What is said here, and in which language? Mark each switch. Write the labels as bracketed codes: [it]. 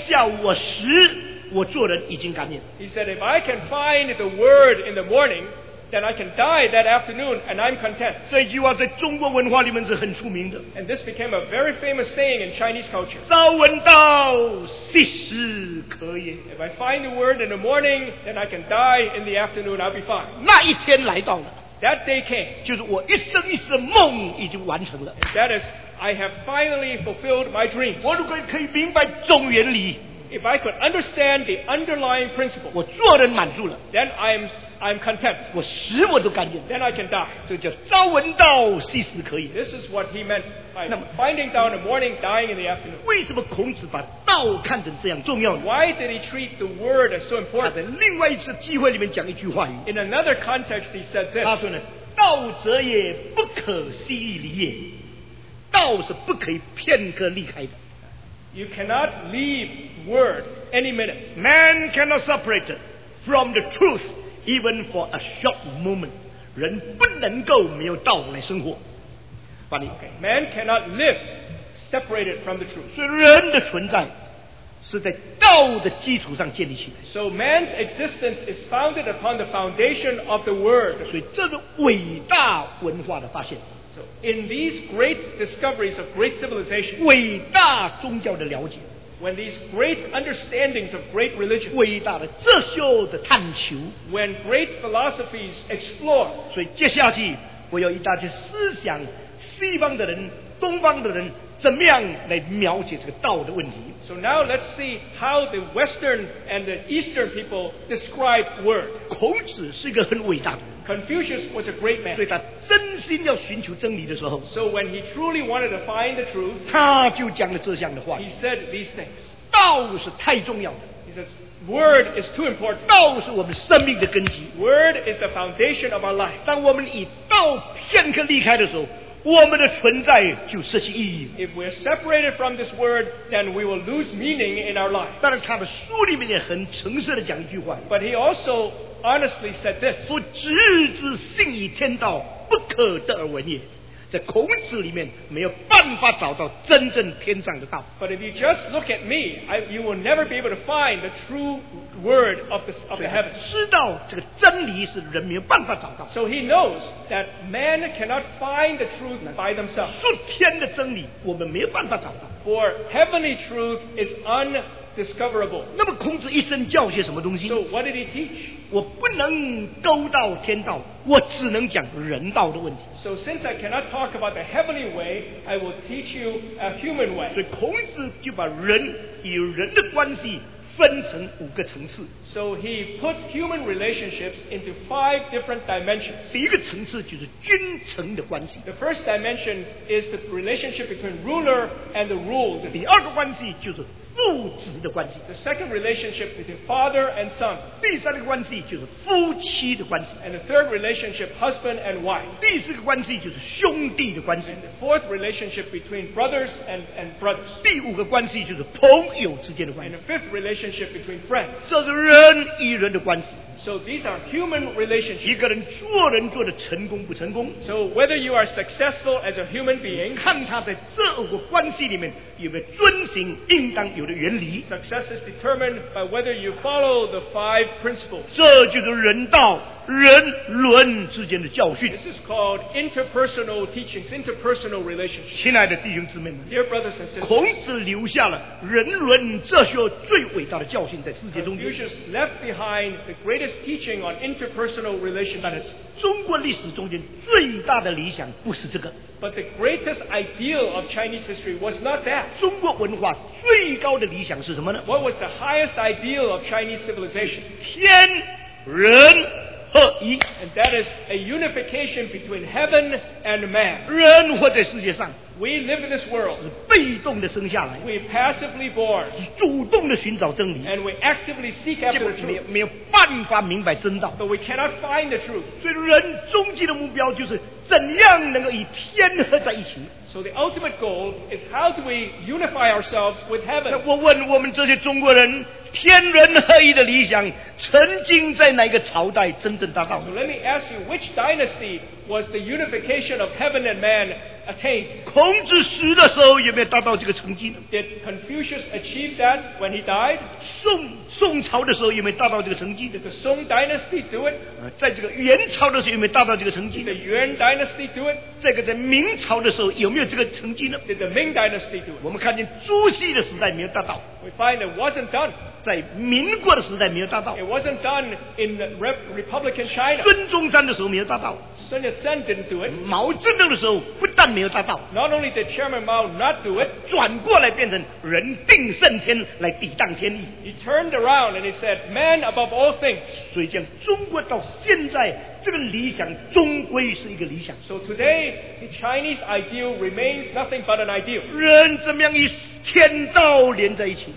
[zh] 如果有一天早上我找到了道，当天下午我死，我做人已经甘愿。 [en] He said, if I can find the word in the morning, then I can die that afternoon and I'm content. [zh] 这句话在中国文化里面是很出名的。 [en] And this became a very famous saying in Chinese culture. [zh] 朝闻道，夕死可也。 [en] If I find the word in the morning, then I can die in the afternoon, I'll be fine. [zh] 那一天来到了。 [en] That day came. [zh] 就是我一生一世的梦已经完成了。 [en] And that is, I have finally fulfilled my dreams. [zh] 我如果可以明白总原理， [en] if I could understand the underlying principle, [zh] 我做人满足了， [en] then I'm content. [zh] 我死我都甘愿， [en] then I can die. [zh] 这叫朝闻道，夕死可也。 [en] This is what he meant by finding down in the morning, dying in the afternoon. [zh] 为什么孔子把道看成这样重要呢？ [en] Why did he treat the word as so important? [zh] 他在另外一次机会里面讲一句话语。 [en] In another context, he said this. [zh] 他说呢，道者也不可思议理也。道是不可以片刻离开的。 [en] You cannot leave word any minute. Man cannot separate it from the truth even for a short moment. [zh] 人不能够没有道来生活。 [en] Funny. Okay. Man cannot live separated from the truth. [zh] 所以人的存在是在道的基础上建立起来。 [en] So man's existence is founded upon the foundation of the word. [zh] 所以这是伟大文化的发现。 [en] So in these great discoveries of great civilization, [zh] 伟大宗教的了解。 [en] When these great understandings of great religion, [zh] 伟大的哲学的探求。 [en] When great philosophies explore, [zh] 所以接下去我有一大堆思想，西方的人、东方的人怎么样来描写这个道的问题。 [en] So now let's see how the Western and the Eastern people describe word. [zh] 孔子是一个很伟大的人。 [en] Confucius was a great man. [zh] 所以他真心要寻求真理的时候。 [en] So when he truly wanted to find the truth, [zh] 他就讲了这样的话。 [en] He said these things. [zh] 道是太重要的。 [en] He says, word is too important. [zh] 道是我们生命的根基。 [en] Word is the foundation of our life. [zh] 当我们以道片刻离开的时候，我们的存在就失去意义。 [en] If we're separated from this word, then we will lose meaning in our life. [zh] 但是他的书里面也很诚实的讲一句话。 [en] But he also honestly said this. [zh] 夫执子信以天道，不可得而闻也。在孔子里面没有办法找到真正天上的道。 [en] But if you just look at me, you will never be able to find the true word of the heavens. [zh] 知道这个真理是人没有办法找到。 [en] So he knows that man cannot find the truth by themselves. [zh] 属天的真理我们没有办法找到。 [en] For heavenly truth is undiscoverable. [zh] 那么孔子一生教些什么东西？ [en] So what did he teach? [zh] 我不能勾到天道，我只能讲人道的问题。 [en] So since I cannot talk about the heavenly way, I will teach you a human way. [zh] 所以孔子就把人与人的关系分成五个层次。 [en] So he put human relationships into five different dimensions. [zh] 第一个层次就是君臣的关系。 [en] The first dimension is the relationship between ruler and the ruled. [zh] 第二个关系就是父子的关系。 [en] The second relationship between father and son. [zh] 第三个关系就是夫妻的关系。 [en] And the third relationship, husband and wife. [zh] 第四个关系就是兄弟的关系。 [en] And the fourth relationship between brothers and brothers. [zh] 第五个关系就是朋友之间的关系。 [en] And the fifth relationship between friends. [zh] 这是人与人的关系。 [en] So these are human relationships. [zh] 一个人做人做得成功不成功。 [en] So whether you are successful as a human being, [zh] 看他在这五个关系里面有没有遵循应当有的原理。 [en] Success is determined by whether you follow the five principles. [zh] 这就是人道人伦之间的教训。 [en] This is called interpersonal teachings, interpersonal relationships. [zh] 亲爱的弟兄姊妹们， [en] Dear brothers and sisters, [zh] 孔子留下了人伦哲学最伟大的教训在世界中间。 [en] Confucius left behind the greatest teaching on interpersonal relationships. [zh] 中国历史中间最大的理想不是这个。 [en] But the greatest ideal of Chinese history was not that. [zh] 中国文化最高的理想是什么呢？ [en] What was the highest ideal of Chinese civilization? [zh] 天人合一。 [en] And that is a unification between heaven and man. [zh] 人活在世界上， [en] We live in this world. [zh] 是被动的生下来， [en] We passively born. [zh] 是主动的寻找真理， [en] And we actively seek after the truth. [zh] 没有办法明白真道， [en] But we cannot find the truth. [zh] 所以人终极的目标就是怎样能够与天合在一起。 [en] So the ultimate goal is how do we unify ourselves with heaven. [zh] 那我问我们这些中国人，天人合一的理想曾经在哪个朝代真正达到？ [en] So let me ask you, which dynasty was the unification of heaven and man attained? [zh] 孔子死的时候有没有达到这个成绩？ [en] Did Confucius achieve that when he died? [zh] 宋朝的时候有没有达到这个成绩？ [en] Did the Song dynasty do it? [zh] 在这个元朝的时候有没有达到这个成绩？ [en] Did the Yuan dynasty do it? [zh] 这个在明朝的时候有没有这个成绩呢？ [en] Did the Ming dynasty do it? [zh] 我们看见朱熹的时代没有达到。 [en] We find it wasn't done. [zh] 在民国的时代没有达到。 [en] It wasn't done in the Republican China. [zh] 孙中山的时候没有达到。 [en] Sun Yat-sen didn't do it. [zh] 毛泽东的时候不但没有达到。 [en] Not only did Chairman Mao not do it. [zh] 转过来变成人定胜天来抵挡天意。 [en] He turned around and he said, man above all things. [zh] 所以讲中国到现在这个理想终归是一个理想。 [en] So today, the Chinese ideal remains nothing but an ideal. [zh] 人怎么样与天道连在一起？